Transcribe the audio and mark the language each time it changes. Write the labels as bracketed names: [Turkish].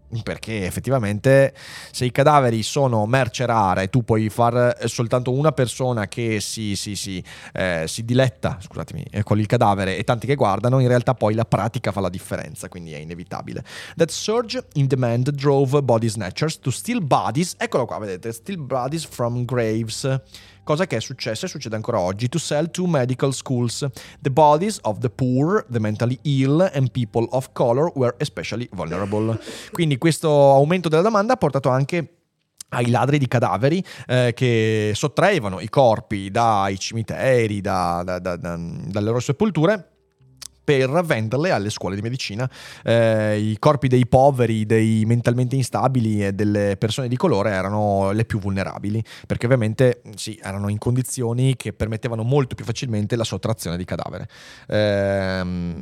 [Italian] Perché effettivamente se i cadaveri sono merce rara e tu puoi far soltanto una persona che si diletta, scusatemi, con il cadavere e tanti che guardano, in realtà poi la pratica fa la differenza, quindi è inevitabile. [English] That surge in demand drove body snatchers to steal bodies, [Italian] eccolo qua, vedete, [English] steal bodies from graves. [Italian] Cosa che è successa e succede ancora oggi, [English] to sell to medical schools. The bodies of the poor, the mentally ill and people of color were especially vulnerable. [Italian] Quindi questo aumento della domanda ha portato anche ai ladri di cadaveri che sottraevano i corpi dai cimiteri, dalle loro sepolture, per venderle alle scuole di medicina. I corpi dei poveri, dei mentalmente instabili e delle persone di colore erano le più vulnerabili, perché ovviamente sì, erano in condizioni che permettevano molto più facilmente la sottrazione di cadavere.